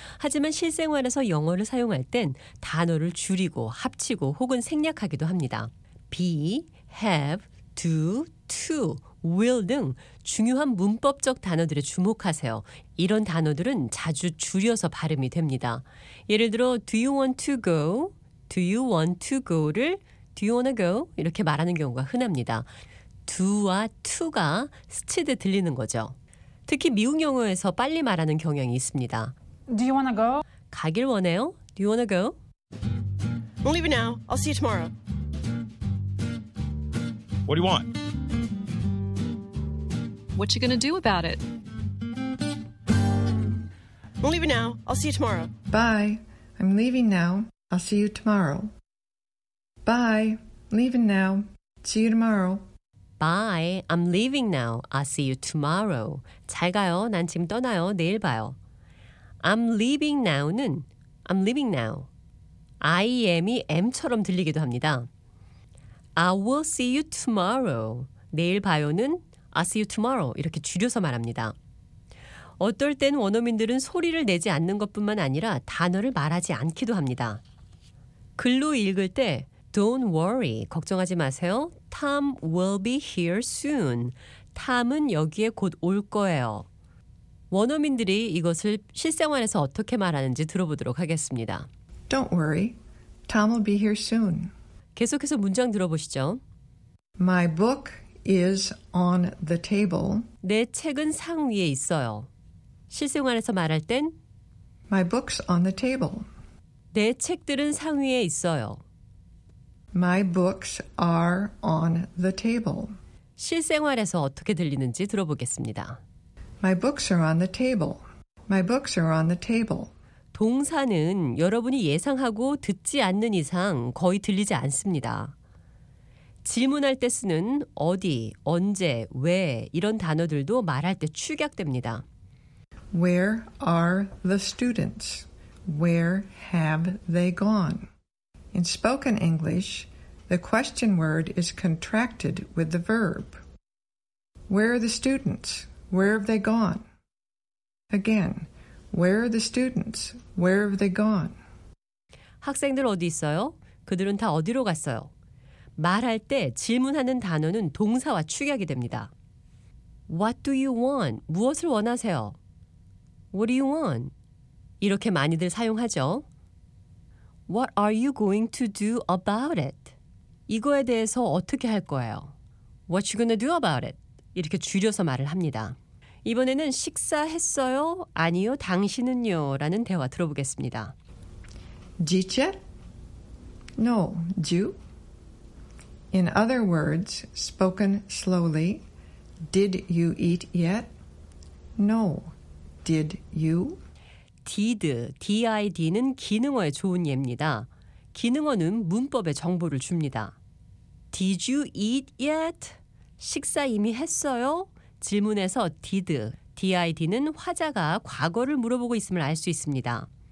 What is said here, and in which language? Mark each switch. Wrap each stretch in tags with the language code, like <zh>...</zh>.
<ko>하지만 실생활에서 영어를 사용할 땐 단어를 줄이고 합치고 혹은 생략하기도 합니다. be, have, do, to, will 등 중요한 문법적 단어들에 주목하세요. 이런 단어들은 자주 줄여서 발음이 됩니다. 예를 들어</ko> <en>Do you want to go? Do you want to go?를 Do you wanna go?</en> <ko>이렇게 말하는 경우가 흔합니다. Do와 to가 스치듯 들리는 거죠. 특히 미국 영어에서 빨리 말하는 경향이 있습니다.</ko> <en>Do you wanna go?</en> <ko>가길 원해요?</ko> <en>Do you want to go? I'm leaving now. I'll see you tomorrow. What do you want? What you gonna do about it? I'm leaving now. I'll see you tomorrow. Bye. I'm leaving now. I'll see you tomorrow. Bye. Leaving now. See you tomorrow. Bye. I'm leaving now. I'll see you tomorrow.</en> <ko>잘 가요. 난 지금 떠나요. 내일 봐요.</ko> <en>I'm leaving now는 I'm leaving now.</en> <ko>I am이 M처럼 들리기도 합니다.</ko> <en>I will see you tomorrow.</en> <ko>내일 봐요는</ko> <en>I'll see you tomorrow.</en> <ko>이렇게 줄여서 말합니다. 어떨 땐 원어민들은 소리를 내지 않는 것뿐만 아니라 단어를 말하지 않기도 합니다. 글로 읽을 때</ko> <en>Don't worry.</en> <ko>걱정하지 마세요.</ko> <en>Tom will be here soon.</en> <ko>Tom은 여기에 곧 올 거예요. 원어민들이 이것을 실생활에서 어떻게 말하는지 들어보도록 하겠습니다.</ko> <en>Don't worry. Tom will be here soon.</en> <ko>계속해서 문장 들어보시죠.</ko> <en>My book is on the table.</en> <ko>내 책은 상 위에 있어요. 실생활에서 말할 땐</ko> <en>My book's on the table.</en> <ko>내 책들은 상 위에 있어요.</ko> <en>My books are on the table.</en> <ko>실생활에서 어떻게 들리는지 들어보겠습니다.</ko> <en>My books are on the table. My books are on the table.</en> <ko>동사는 여러분이 예상하고 듣지 않는 이상 거의 들리지 않습니다. 질문할 때 쓰는 어디, 언제, 왜 이런 단어들도 말할 때 축약됩니다.</ko> <en>Where are the students? Where have they gone? In spoken English, the question word is contracted with the verb. Where are the students? Where have they gone? Again, where are the students? Where have they gone?</en> <ko>학생들 어디 있어요? 그들은 다 어디로 갔어요? 말할 때 질문하는 단어는 동사와 축약이 됩니다.</ko> <en>What do you want?</en> <ko>무엇을 원하세요?</ko> <en>What do you want?</en> <ko>이렇게 많이들 사용하죠.</ko> <en>What are you going to do about it?</en> <ko>이거에 대해서 어떻게 할 거예요?</ko> <en>What you gonna do about it?</en> <ko>이렇게 줄여서 말을 합니다. 이번에는 식사했어요? 아니요, 당신은요? 라는 대화 들어보겠습니다.</ko> <en>Did you? No, do you? In other words, spoken slowly, did you eat yet? No, did you?</en> <ko>Did, D-I-D는 기능어의 좋은 예입니다. 기능어는 문법의 정보를 줍니다.</ko> <en>Did you eat yet?</en> <ko>식사 이미 했어요? 질문에서 did, D-I-D는 화자가 과거를 물어보고 있음을 알 수 있습니다.</ko>